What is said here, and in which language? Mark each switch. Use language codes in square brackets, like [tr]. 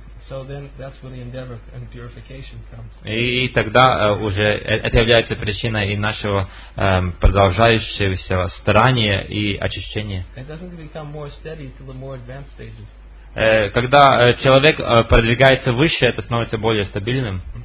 [en] So then, that's where the endeavor and purification comes. [ru] И тогда уже это является причиной и нашего продолжающегося старания и очищения. [en] It doesn't become more steady to the more advanced stages. [ru] Когда человек продвигается выше, это становится более стабильным.